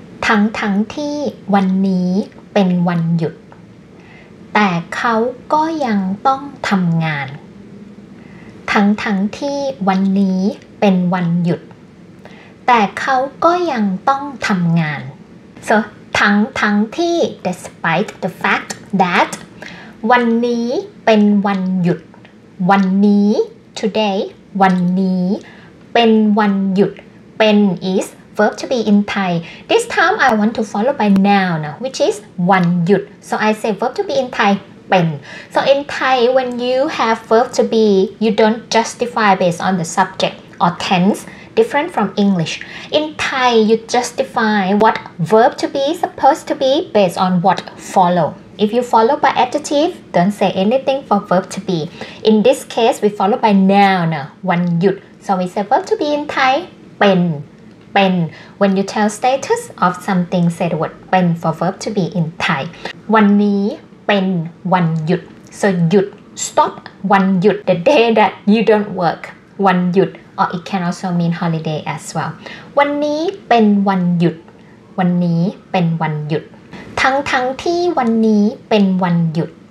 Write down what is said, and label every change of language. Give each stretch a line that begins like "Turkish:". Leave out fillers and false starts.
Thai: ทั้งที่วันนี้เป็นวันหยุดแต่เขาก็ยังต้องทำงานทั้งที่วันนี้เป็นวันหยุดแต่เขาก็ยังต้องทำงาน so ทั้งที่
English: despite the fact that
Thai: วันนี้เป็นวันหยุดวันนี้ today วันนี้เป็นวันหยุดเป็น
English: isverb to be in Thai. This time I want to follow by noun, which is วันหยุด. So I say verb to be in Thai, เป็น. So in Thai, when you have verb to be, you don't justify based on the subject or tense, different from English. In Thai, you justify what verb to be supposed to be based on what follow. If you follow by adjective, don't say anything for verb to be. In this case, we follow by noun, วันหยุด. So we say verb to be in Thai, เป็นเป็น when you tell status of something say the word เป็น for verb to be in Thai
Thai: วันนี้เป็นวันหยุด
English: so หยุด stop วันหยุด the day that you don't work วันหยุด or it can also mean holiday as well
Thai: วันนี้เป็นวันหยุดวันนี้เป็นวันหยุดทั้งที่วันนี้เป็นวันหยุด